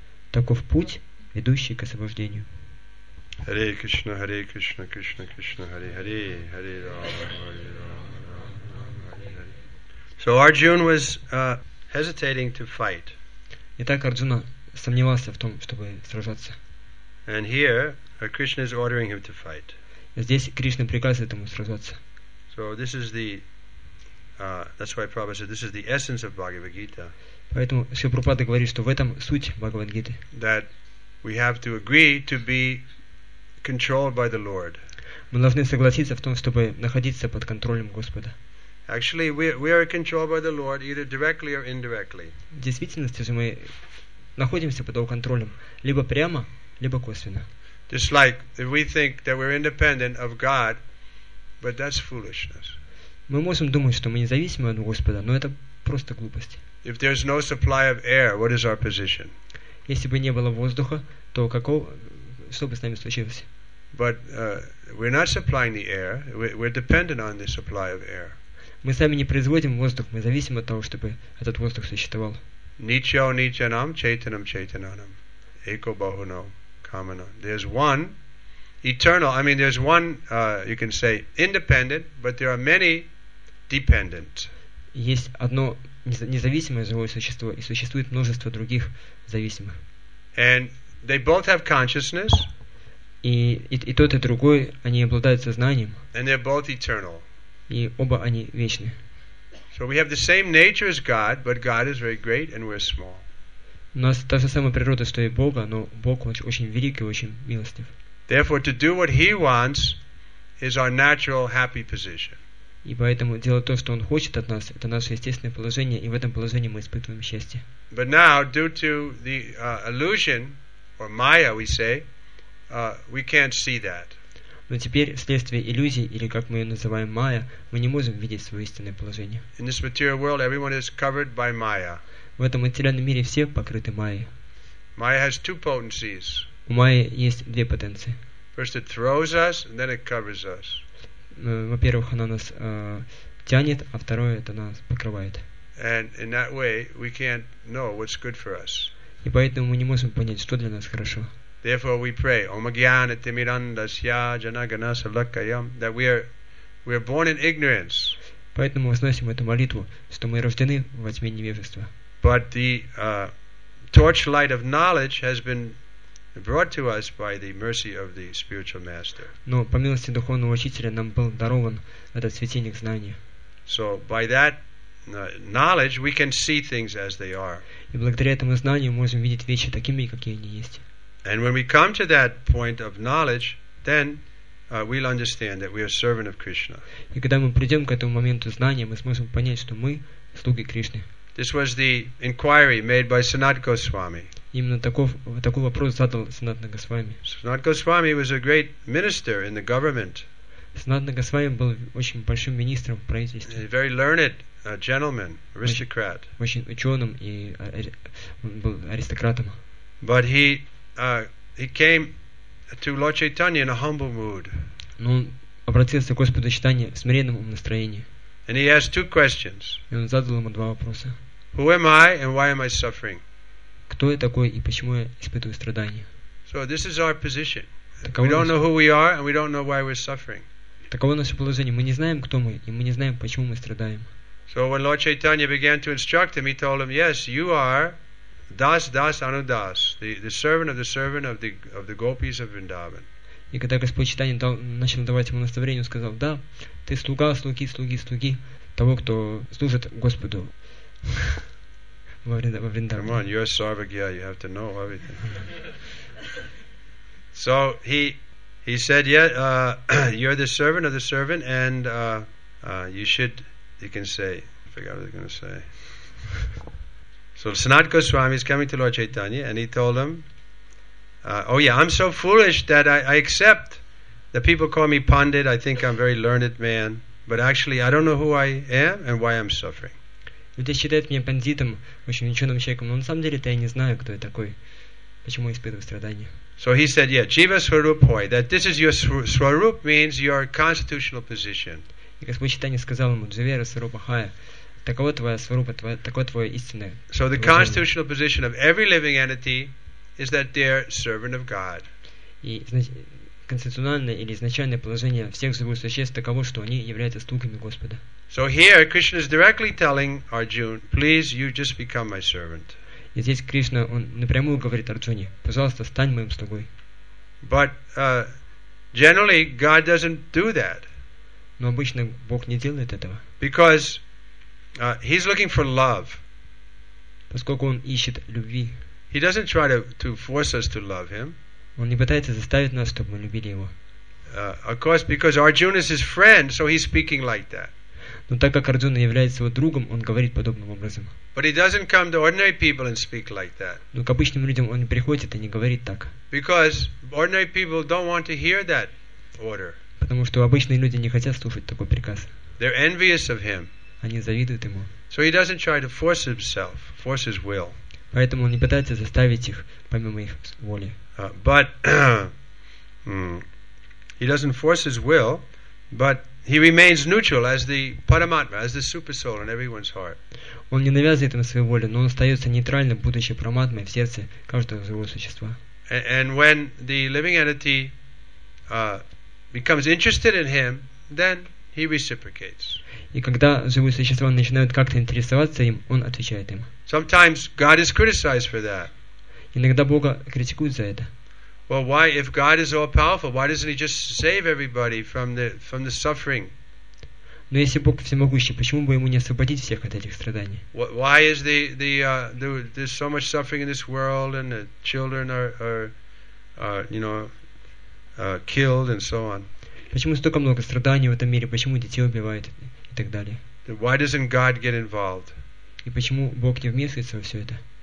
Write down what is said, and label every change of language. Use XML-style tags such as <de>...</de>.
<ru>Таков путь, ведущий к освобождению.</ru> <sa>Харе Кришна, Харе Кришна, Кришна Кришна, Харе Харе, Харе Рама, Харе Рама, Харе Харе.</sa> <en>So Arjuna was hesitating to fight.</en> <ru>Итак, Арджуна сомневался в том, чтобы сражаться.</ru> <en>And here, Krishna is ordering him to fight.</en> <ru>Здесь Кришна приказывает ему сражаться.</ru> <en>So this is the, that's why Prabhupada said this is the essence of Bhagavad Gita.</en> <ru>Поэтому Шри Прабхупада говорит, что в этом суть Бхагавад Гиты.</ru> <en>That we have to agree to be controlled by the Lord.</en> <ru>Мы должны согласиться в том, чтобы находиться под контролем Господа.</ru> <en>Actually, we are controlled by the Lord either directly or indirectly.</en> <ru>В действительности же мы находимся под его контролем, либо прямо, либо косвенно.</ru> <en>Just like if we think that we're independent of God, but that's foolishness.</en> <ru>Мы можем думать, что мы независимы от Господа, но это просто глупость.</ru> <en>If there's no supply of air, what is our position?</en> <ru>Если бы не было воздуха, то какого что бы с нами случилось?</ru> <en>But we're not supplying the air. We're dependent on the supply of air.</en> <ru>Мы сами не производим воздух, мы зависим от того, чтобы этот воздух существовал.</ru> <sa>Ничо ничанам чайтанам чайтананам эко бахуно камано.</sa> <en>There's one eternal. I mean, there's one you can say independent, but there are many dependent.</en> <ru>Есть одно независимое живое существо и существует множество других зависимых.</ru> <en>And they both have consciousness.</en> <ru>И тот и другой они обладают сознанием.</ru> <en>And they're both eternal.</en> <ru>И оба они вечны.</ru> <en>So we have the same nature as God, but God is very great and we're small.</en> <ru>У нас та же самая природа, что и Бога, но Бог очень велик и очень милостив.</ru> <en>Therefore, to do what He wants is our natural happy position.</en> <ru>И поэтому делать то, что Он хочет от нас, это наше естественное положение, и в этом положении мы испытываем счастье.</ru> <en>But now, due to the illusion or Maya, we say, we can't see that.</en> <ru>Но теперь вследствие иллюзий, или как мы ее называем Майя, мы не можем видеть свое истинное положение.</ru> <en>In this material world, everyone is covered by Maya.</en> <ru>В этом материальном мире все покрыты Майей.</ru> <en>Maya has two potencies.</en> <ru>У Майи есть две потенции.</ru> <en>First it throws us, and then it covers us.</en> <ru>Во-первых, она нас тянет, а второе, это нас покрывает.</ru> <en>And in that way, we can't know what's good for us.</en> <ru>И поэтому мы не можем понять, что для нас хорошо.</ru> <en>Therefore we pray,</en> <sa>Om Agyana Timirandasya Janagana Salakayam,</sa> <en>that we are born in ignorance.</en> <ru>Поэтому мы сносим эту молитву, что мы рождены во тьме невежества.</ru> <en>But the torchlight of knowledge has been brought to us by the mercy of the spiritual master.</en> <ru>Но по милости духовного учителя нам был дарован этот светильник знания.</ru> <en>So by that knowledge we can see things as they are.</en> <ru>И благодаря этому знанию мы можем видеть вещи такими, какие они есть.</ru> <en>And when we come to that point of knowledge, then we'll understand that we are servant of Krishna.</en> <ru>И когда мы придем к этому моменту знания, мы сможем понять, что мы слуги Кришны.</ru> <en>This was the inquiry made by Sanat Goswami.</en> <ru>Именно такой вопрос задал Санат Госвами.</ru> <en>Sanat Goswami was a great minister in the government.</en> <ru>Санат Госвами был очень большим министром в правительстве.</ru> <en>A very learned gentleman, aristocrat.</en> <ru>Очень ученым и был аристократом.</ru> <en>But he came to Lord Chaitanya in a humble mood.</en> <ru>Но он обратился к Господу Чайтанье в смиренном настроении.</ru> <en>And he asked two questions.</en> <ru>И он задал ему два вопроса.</ru> <en>Who am I and why am I suffering?</en> <ru>Кто я такой и почему я испытываю страдания?</ru> <en>So this is our position. We don't know who we are and we don't know why we're suffering.</en> <ru>Таково наше положение. Мы не знаем, кто мы, и мы не знаем, почему мы страдаем.</ru> <en>So when Lord Chaitanya began to instruct him, he told him, "Yes, you are</en> <sa>Das Das Anudas,</sa> <en>the servant of the servant of the gopis of Vrindavan."</en> <ru>И когда Господь Чайтанья начал давать ему наставление, он сказал: "Да, ты слуга, слуги, слуги, слуги того, кто служит Господу."</ru> <en>Come on, you're a Sarvagya, you have to know everything. So he said, "Yeah, you're the servant of the servant, and you should." You can say, I forgot what I was going to say. So Sanat Goswami is coming to Lord Chaitanya, and he told him, "I'm so foolish that I accept that people call me Pandit. I think I'm a very learned man, but actually, I don't know who I am and why I'm suffering."</en> <ru>Люди считают меня пандитом, очень ученым человеком, но на самом деле-то я не знаю, кто я такой, почему я испытываю страдания.</ru> <en>So he said, "Yeah,</en> <sa>jiva swarupoi.</sa> <en>That this is your swarup means your constitutional position."</en> <ru>И Господь Чайтанья сказал ему:</ru> <sa>"Дживера сварупахая,</sa> <ru>таково твое сварупа, такое твое истинное."</ru> <en>So the constitutional position of every living entity is that they're servant of God.</en> <ru>И конституциональное или изначальное положение всех живых существ таково, что они являются слугами Господа.</ru> <en>So here Krishna is directly telling Arjuna, "Please, you just become my servant."</en> <ru>И здесь Кришна он напрямую говорит Арджуне: "Пожалуйста, стань моим слугой."</ru> <en>But generally God doesn't do that.</en> <ru>Но обычно Бог не делает этого.</ru> <en>Because he's looking for love.</en> <ru>Поскольку он ищет любви.</ru> <en>He doesn't try to force us to love him.</en> <ru>Он не пытается заставить нас, чтобы мы любили его.</ru> <en>Of course, because Arjuna is his friend, so he's speaking like that.</en> <ru>Но так как Арджуна является его другом, он говорит подобным образом.</ru> <en>But he doesn't come to ordinary people and speak like that.</en> <ru>Но к обычным людям он не приходит и не говорит так.</ru> <en>Because ordinary people don't want to hear that order.</en> <ru>Потому что обычные люди не хотят слушать такой приказ.</ru> <en>They're envious of him.</en> <ru>Они завидуют ему.</ru> <en>So he doesn't try to force himself, force his will.</en> <ru>Поэтому он не пытается заставить их помимо их воли.</ru> <en>But he doesn't force his will, but he remains neutral as the Paramatma, as the Super Soul in everyone's heart.</en> <ru>Он не навязывает им свою волю, но он остается нейтральным, будучи Параматмой в сердце каждого живого существа.</ru> <en>And when the living entity becomes interested in him, then he reciprocates.</en> <ru>И когда живые существа начинают как-то интересоваться им, он отвечает им.</ru> <en>Sometimes God is criticized for that.</en> <ru>Иногда Бога критикуют за это.</ru> <en>Well, why, if God is all powerful, why doesn't He just save everybody from the suffering?</en> <ru>Но если Бог всемогущий, почему бы ему не освободить всех от этих страданий?</ru> <en>Why is there's so much suffering in this world, and the children are killed and so on?</en> <ru>Почему столько много страданий в этом мире? Почему детей убивают и так далее?</ru> <en>Why doesn't God get involved?</en> <ru>И почему Бог не вмешивается во все это?</ru>